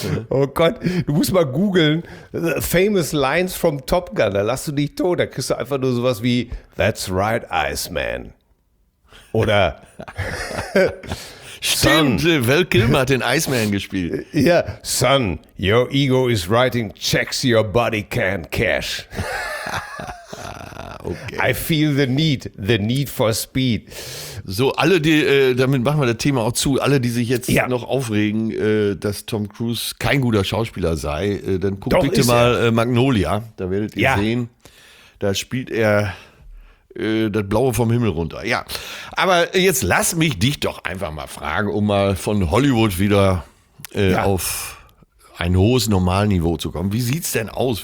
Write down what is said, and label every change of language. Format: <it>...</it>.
<de>Oh Gott, du musst mal googeln,</de> <en>Famous Lines from Top Gun,</en> <de>da lass du dich tot, da kriegst du einfach nur sowas wie</de> <en>That's right, Iceman.</en> <de>Oder Stimmt, Val Kilmer hat den Iceman gespielt.</de> <en>Ja, Son, your ego is writing checks your body can't cash. Okay. I feel the need for speed.</en> <de>So, alle, die, damit machen wir das Thema auch zu, alle, die sich jetzt noch aufregen, dass Tom Cruise kein guter Schauspieler sei, dann guckt bitte mal Magnolia, da werdet ihr sehen, da spielt er das Blaue vom Himmel runter. Ja, aber jetzt lass mich dich doch einfach mal fragen, um mal von Hollywood wieder auf ein hohes Normalniveau zu kommen. Wie sieht's denn aus?</de>